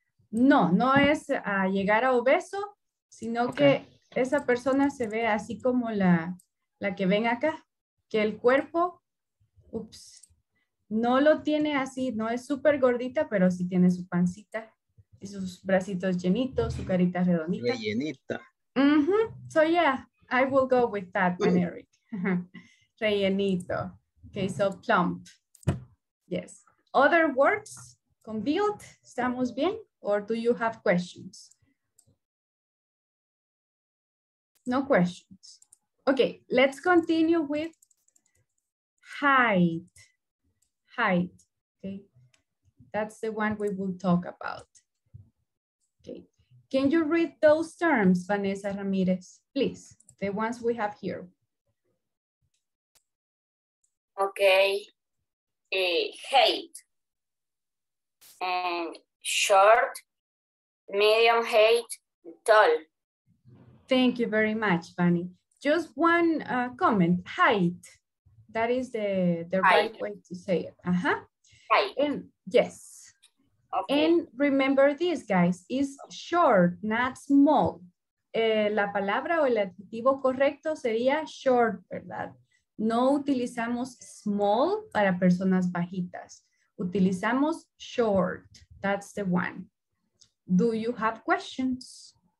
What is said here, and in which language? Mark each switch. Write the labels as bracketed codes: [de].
[es] No, no es a llegar a obeso, sino okay. Que esa persona se ve así como la que ven acá, que el cuerpo, ups, no lo tiene así, no es súper gordita, pero sí tiene su pancita y sus bracitos llenitos, su carita redondita. Rellenita. Mm-hmm. [en] So yeah, I will go with that, then, Eric. Rellenito. Okay, so plump. Yes. Other words con build, [es] ¿estamos bien? [en] Or do you have questions? No questions. Okay, let's continue with height. Height, okay. That's the one we will talk about. Okay. Can you read those terms, Vanessa Ramirez? Please, the ones we have here. Okay. Height. Short, medium height, tall. Thank you very much, Fanny. Just one comment, height. That is the right way to say it. Uh-huh. Height. And, yes. Okay. And remember this, guys, is short, not small. [es] La palabra o el adjetivo correcto sería short, ¿verdad? No utilizamos small para personas bajitas. Utilizamos short. [en] That's the one. Do you have questions?